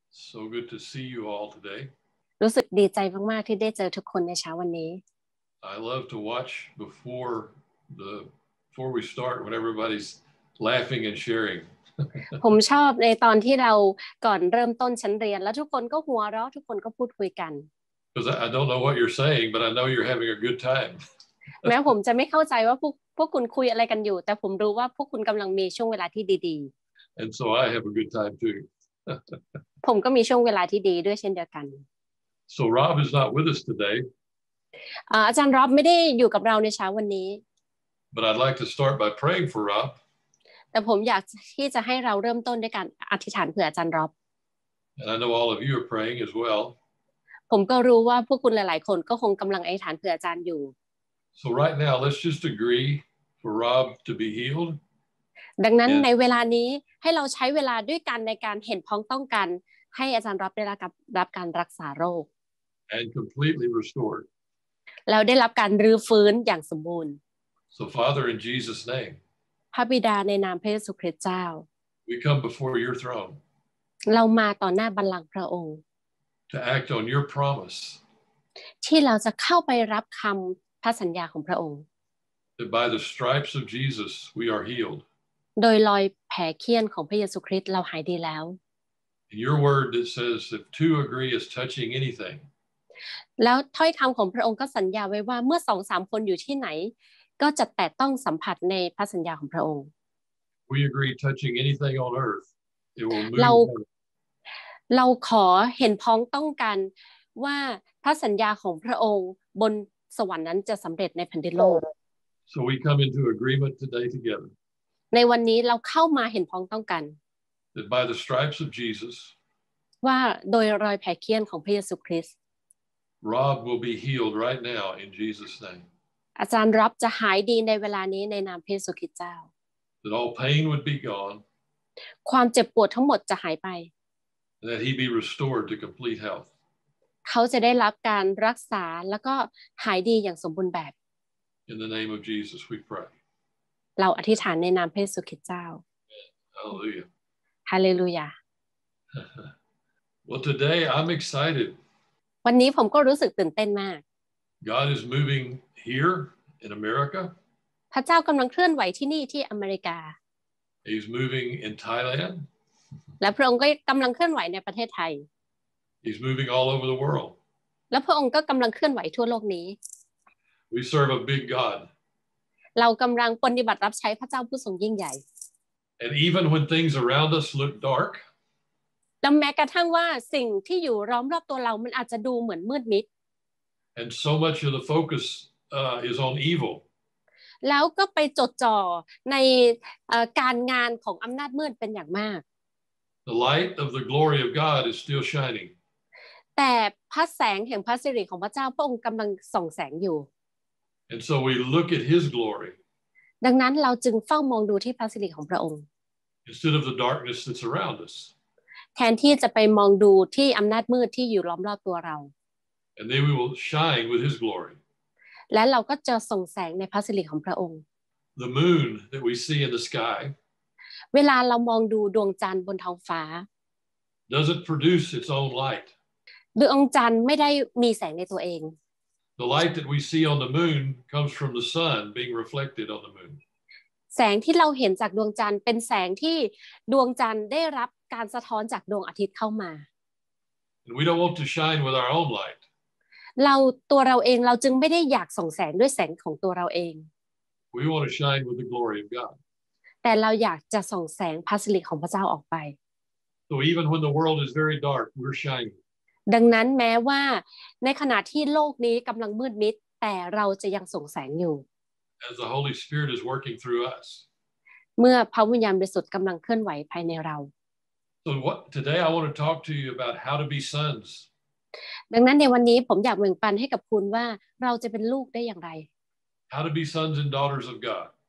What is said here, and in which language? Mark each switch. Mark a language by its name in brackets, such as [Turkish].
[English] So good to see you all today. [Thai] รู้สึกดีใจมากๆที่ได้เจอทุกคนในเช้าวันนี้ [English] I love to watch before we start when everybody's laughing and sharing. [Thai] ผมชอบในตอนที่เราก่อนเริ่มต้นชั้นเรียนแล้วทุกคนก็หัวเราะทุกคนก็พูดคุยกัน [English] Because I don't know what you're saying, but I know you're having a good time. [Thai] แม้ผมจะไม่เข้าใจว่าพวกคุณคุยอะไรกันอยู่แต่ผมรู้ว่าพวกคุณกำลังมีช่วงเวลาที่ดี [English] ๆ And so I have a good time too. [Thai] ผมก็มีช่วงเวลาที่ดีด้วยเช่นเดียวกัน [English] So Rob is not with us today. [Thai] อาจารย์ร็อบไม่ได้อยู่กับเราในเช้าวันนี้ [English] But I'd like to start by praying for Rob. [Thai] แต่ผมอยากที่จะให้เราเริ่มต้นด้วยการอธิษฐานเผื่ออาจารย์ร็อบ [English] And I know all of you are praying as well. [Thai] ผมก็รู้ว่าพวกคุณหลายๆคนก็คงกำลังอธิษฐานเผื่ออาจารย์อยู่ [English] So right now, let's just agree for Rob to be healed. [Thai] ดังนั้นในเวลานี้ให้เราใช้เวลาด้วยกันในการเห็นพ้องต้องกันให้อาจารย์รับได้รับการรักษาโรค [English] And completely restored. [Thai] แล้วได้รับการรื้อฟื้นอย่างสมบูรณ์ [English] So Father, in Jesus' name. [Thai] พระบิดาในนามพระเยซูคริสต์เจ้า [English] We come before your throne. [Thai] เรามาต่อหน้าบัลลังก์พระองค์ [English] To act on your promise. [Thai] ที่เราจะเข้าไปรับคำพระสัญญาของพระองค์ [English] By the stripes of Jesus we are healed [Thai] โดยรอยแผลเคี้ยนของพระเยซูคริสต์เราหายดีแล้ว [English] In your word it says if two agree as touching anything [Thai] แล้วถ้อยคำของพระองค์ก็สัญญาไว้ว่าเมื่อ 2-3 คนอยู่ที่ไหนก็จะแตะต้องสัมผัสในพระสัญญาของพระองค์ [English] We agree touching anything on earth it will move [Thai] เราขอเห็นพ้องต้องกันว่าพระสัญญาของพระองค์บนสวรรค์นั้นจะสำเร็จในแผ่นดินโลก [English] So we come into agreement today together. [Thai] ในวันนี้เราเข้ามาเห็นพ้องต้องกัน [English] That by the stripes of Jesus. [Thai] ว่าโดยรอยแผลเคี้ยนของพระเยซูคริสต์ [English] Rob will be healed right now in Jesus' name. [Thai] อาจารย์ร็อบจะหายดีในเวลานี้ในนามพระเยซูคริสต์เจ้า [English] That all pain would be gone. [Thai] ความเจ็บปวดทั้งหมดจะหายไป [English] That he be restored to complete health. [Thai] เขาจะได้รับการรักษาแล้วก็หายดีอย่างสมบูรณ์แบบ [English] In the name of Jesus we pray [Thai] เราอธิษฐานในนามพระเยซูคริสต์เจ้า [English] Hallelujah Hallelujah Well today I'm excited [Thai] วันนี้ผมก็รู้สึกตื่นเต้นมาก [English] God is moving here in America [Thai] พระเจ้ากำลังเคลื่อนไหวที่นี่ที่อเมริกา [English] He's moving in Thailand [Thai] และพระองค์ก็กำลังเคลื่อนไหวในประเทศไทย [English] He's moving all over the world. [Thai] แล้วพระองค์ก็กำลังเคลื่อนไหวทั่วโลกนี้ [English] We serve a big God. [Thai] เรากำลังปฏิบัติรับใช้พระเจ้าผู้ทรงยิ่งใหญ่ [English] And even when things around us look dark. [Thai] แล้วแม้กระทั่งว่าสิ่งที่อยู่ล้อมรอบตัวเรามันอาจจะดูเหมือนมืดมิด [English] And so much of the focus is on evil. [Thai] แล้วก็ไปจดจ่อในการงานของอำนาจมืดเป็นอย่างมาก [English] The light of the glory of God is still shining. [Thai] แต่พระแสงแห่งพระสิริของพระเจ้าพระองค์กำลังส่องแสงอยู่ [English] And so we look at his glory [Thai] ดังนั้นเราจึงเฝ้ามองดูที่พระสิริของพระองค์ [English] Instead of the darkness that's around us [Thai] แทนที่จะไปมองดูที่อำนาจมืดที่อยู่ล้อมรอบตัวเรา [English] And then we will shine with his glory [Thai] และเราก็จะส่องแสงในพระสิริของพระองค์ [English] The moon that we see in the sky [Thai] เวลาเรามองดูดวงจันทร์บนท้องฟ้า [English] Does it produce its own light [Thai] ดวงจันทร์ไม่ได้มีแสงในตัวเอง [English] The light that we see on the moon comes from the sun being reflected on the moon [Thai] แสงที่เราเห็นจากดวงจันทร์เป็นแสงที่ดวงจันทร์ได้รับการสะท้อนจากดวงอาทิตย์เข้ามา [English] And we don't want to shine with our own light [Thai] เราตัวเราเองเราจึงไม่ได้อยากส่องแสงด้วยแสงของตัวเราเอง [English] We want to shine with the glory of God [Thai] แต่เราอยากจะส่องแสงพระสิริของพระเจ้าออกไป [English] So even when the world is very dark we're shining [Thai] ดังนั้นแม้ว่าในขณะที่โลกนี้กำลังมืดมิดแต่เราจะยังส่งแสงอยู่ [English] As the Holy Spirit is working through us [Thai] เมื่อพระวิญญาณบริสุทธิ์กำลังเคลื่อนไหวภายในเรา [English] So what today I want to talk to you about how to be sons [Thai] ดังนั้นในวันนี้ผมอยากแบ่งปันให้กับคุณว่าเราจะเป็นลูกได้อย่างไร [English] How to be sons and daughters of God